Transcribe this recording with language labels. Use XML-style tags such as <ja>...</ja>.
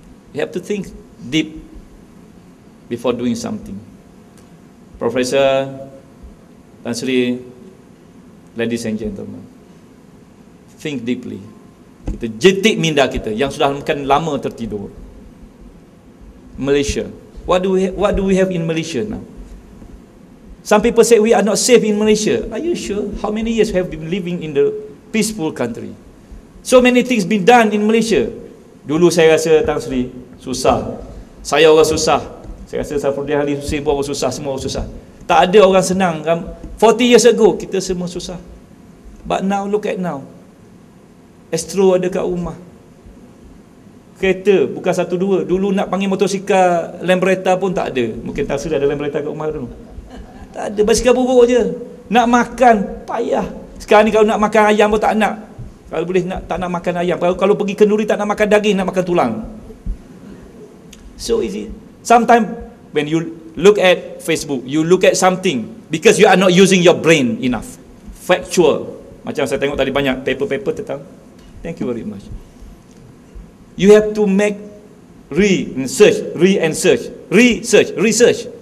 <en>You have to think deep before doing something. Professor Tan Sri, ladies and gentlemen, think deeply.</en> <ms>Kita jetik minda kita yang sudah makan lama tertidur.</ms> <en>Malaysia, what do we have in Malaysia now? Some people say we are not safe in Malaysia. Are you sure? How many years have been living in the peaceful country? So many things been done in Malaysia.</en> <ms>Dulu saya rasa Tan Sri susah. Saya orang susah. Saya rasa Safruddin Ali Husain pun susah, semua susah. Tak ada orang senang.</ms> <en>40 years ago</en> <ms>kita semua susah.</ms> <en>But now look at now.</en> <ms>Astro ada kat rumah. Kereta bukan satu dua. Dulu nak panggil motosikal Lambretta pun tak ada. Mungkin tak sudah ada Lambretta kat rumah dulu. Tak ada, basikal buruk je. Nak makan payah. Sekarang ni kalau nak makan ayam pun tak nak. Kalau boleh nak, tak nak makan ayam. Kalau pergi kenduri tak nak makan daging, nak makan tulang.</ms> <en>So easy. Sometimes when you look at Facebook, you look at something because you are not using your brain enough.</en> <ms>Factual. Macam saya tengok tadi banyak paper-paper tentang.</ms> <en>Thank you very much. You have to make research.</en>